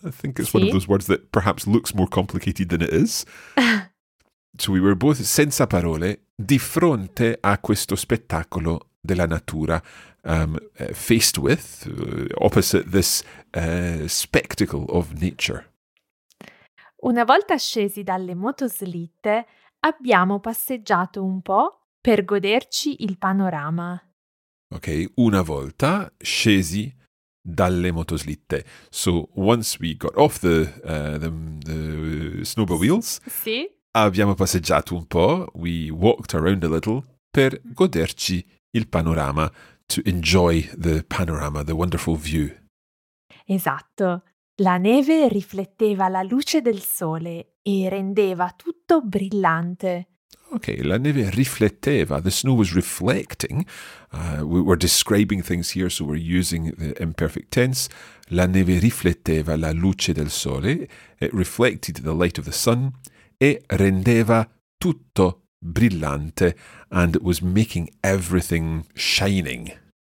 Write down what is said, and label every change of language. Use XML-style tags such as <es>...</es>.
<en>I think it's one of those words that perhaps looks more complicated than it is. So we were both</en> <it>senza parole di fronte a questo spettacolo della natura.</it> <en>Faced with, opposite this spectacle of nature.</en> <it>Una volta scesi dalle motoslitte, abbiamo passeggiato un po' per goderci il panorama. Ok, una volta scesi dalle motoslitte.</it> <en>So, once we got off the snowboard wheels,</en> <it>abbiamo passeggiato un po',</it> <en>we walked around a little,</en> <it>per goderci il panorama,</it> <en>to enjoy the panorama, the wonderful view.</en> <it>Esatto. La neve rifletteva la luce del sole e rendeva tutto brillante.</it> <en>Okay,</en> <it>la neve rifletteva.</it> <en>The snow was reflecting. We're describing things here, so we're using the imperfect tense.</en> <it>La neve rifletteva la luce del sole.</it> <en>It reflected the light of the sun.</en> <it>E rendeva tutto brillante.</it> <en>And it was making everything shining.</en>